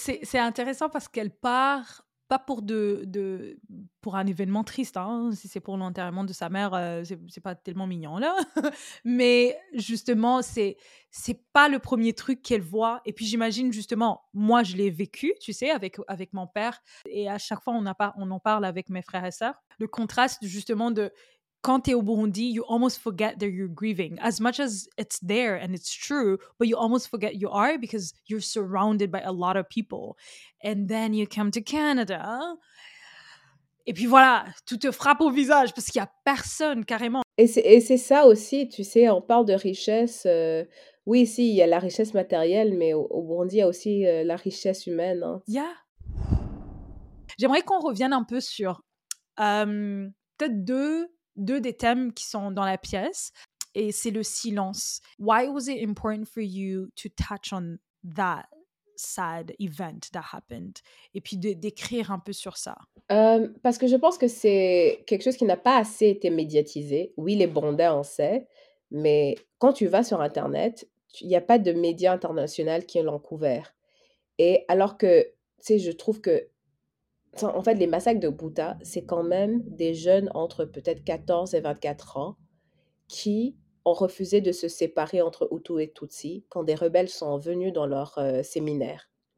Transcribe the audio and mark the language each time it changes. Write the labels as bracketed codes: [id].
[fr] Et c'est intéressant parce qu'elle part pas pour un événement triste, hein, si c'est pour l'enterrement de sa mère, c'est pas tellement mignon, là. Mais justement, c'est pas le premier truc qu'elle voit. Et puis j'imagine, justement, moi, je l'ai vécu, tu sais, avec mon père. Et à chaque fois, on en parle avec mes frères et sœurs. Le contraste, justement, de quand t'es au Burundi, [en] you almost forget that you're grieving. As much as it's there and it's true, but you almost forget you are because you're surrounded by a lot of people. And then you come to Canada. [fr] Et puis voilà, tout te frappe au visage parce qu'il n'y a personne, carrément. Et c'est ça aussi, tu sais, on parle de richesse. Oui, si, il y a la richesse matérielle, mais au Burundi, il y a aussi la richesse humaine. Hein. [en] Yeah. [fr] J'aimerais qu'on revienne un peu sur peut-être deux des thèmes qui sont dans la pièce, et c'est le silence. [en] Why was it important for you to touch on that sad event that happened? [fr] Et puis d'écrire un peu sur ça. Parce que je pense que c'est quelque chose qui n'a pas assez été médiatisé. Oui, les Burundais en savent, mais quand tu vas sur Internet, il n'y a pas de médias internationaux qui l'ont couvert. Et alors que, tu sais, je trouve que en fait, les massacres de Bouta, c'est quand même des jeunes entre peut-être 14 et 24 ans qui ont refusé de se séparer entre Hutu et Tutsi quand des rebelles sont venus dans leur séminaire.